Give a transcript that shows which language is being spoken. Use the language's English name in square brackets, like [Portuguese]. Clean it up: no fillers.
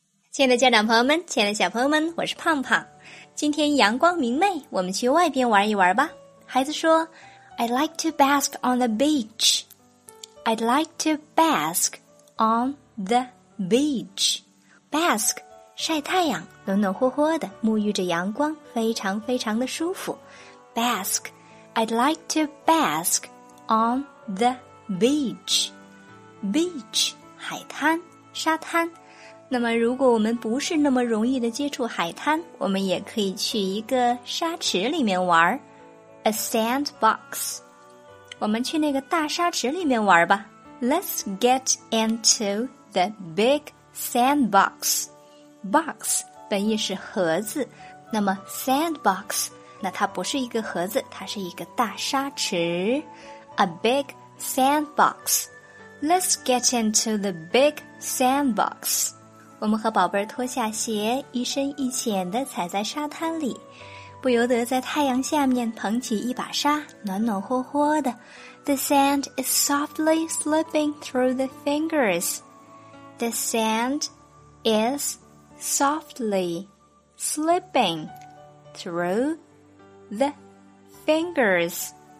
[Chinese] 亲爱的家长朋友们，亲爱的小朋友们，我是胖胖。今天阳光明媚，我们去外边玩一玩吧。孩子说 [English] I'd like to bask on the beach. I'd like to bask on the beach. [Chinese] Bask 晒太阳，暖暖和和的，沐浴着阳光，非常非常的舒服。 [English] Bask I'd like to bask on the beach. [Chinese] Beach 海滩，沙滩。那么如果我们不是那么容易的接触海滩，我们也可以去一个沙池里面玩 [English] A sandbox. [Chinese] 我们去那个大沙池里面玩吧。 [English] Let's get into the big sandbox. [Chinese] Box 本意是盒子，那么 sandbox 那它不是一个盒子，它是一个大沙池。 [English] A big sandbox. Let's get into the big sandbox. [Chinese] 我们和宝贝儿脱下鞋，一深一浅地踩在沙滩里，不由得在太阳下面捧起一把沙，暖暖和和的。 [English] The sand is softly slipping through the fingers. The sand is softly slipping through the fingers.